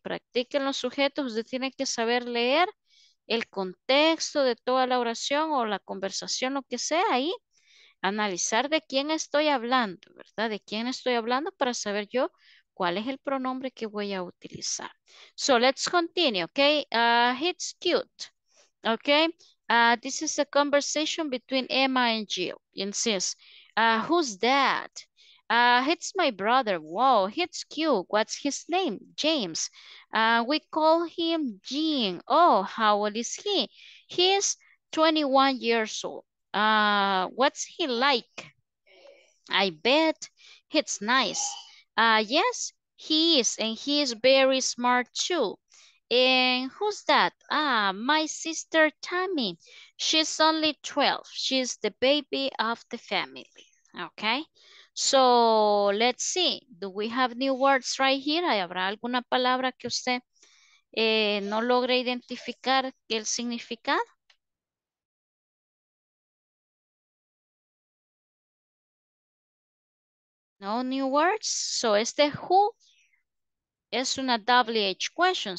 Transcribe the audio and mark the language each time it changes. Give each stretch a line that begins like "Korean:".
Spanish: Practiquen los sujetos, ustedes tienen que saber leer el contexto de toda la oración o la conversación, lo que sea, ahí. Analizar de quién estoy hablando, ¿verdad? De quién estoy hablando para saber yo cuál es el pronombre que voy a utilizar.
English: So, let's continue, okay? It's cute, okay? This is a conversation between Emma and Jill. It says, who's that? It's my brother. Wow, it's cute. What's his name? James. We call him Jean. Oh, how old is he? He's 21 years old. What's he like? I bet he's nice. Yes, he is, and he is very smart too. And who's that? My sister Tammy. She's only 12. She's the baby of the family. Okay, So, let's see. Do we have new words right here?
Spanish: ¿Habrá alguna palabra que usted no logre identificar el significado?
English: No new words. So,
Spanish: este
English: who
Spanish: es una
English: WH question.